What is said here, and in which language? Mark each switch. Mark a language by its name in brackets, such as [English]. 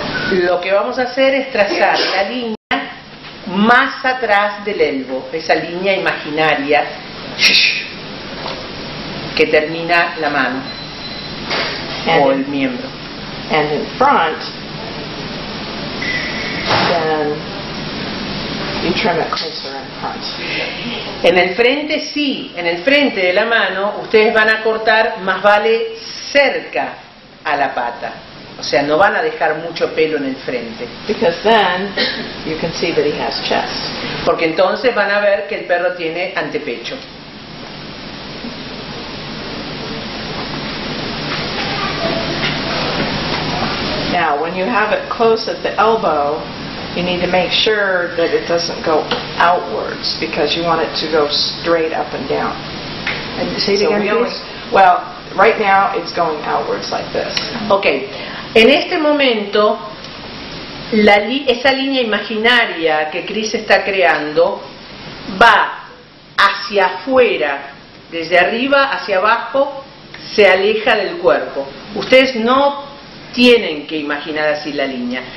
[Spanish] Lo que vamos a hacer es trazar la línea más atrás del elbo, esa línea imaginaria que termina la mano o el miembro. [English] And in front, then you trim it closer in front. [Spanish] En el frente, sí, en el frente de la mano, ustedes van a cortar más vale cerca a la pata. O sea, no van a dejar mucho pelo en el frente. [English] Because then you can see that he has chest. [Spanish] Porque entonces van a ver que el perro tiene antepecho. [English] Now, when you have it close at the elbow, you need to make sure that it doesn't go outwards because you want it to go straight up and down. And say it again, please. Well, right now it's going outwards like this. Okay. [Spanish] En este momento, esa línea imaginaria que Chris está creando va hacia afuera, desde arriba hacia abajo, se aleja del cuerpo. Ustedes no tienen que imaginar así la línea.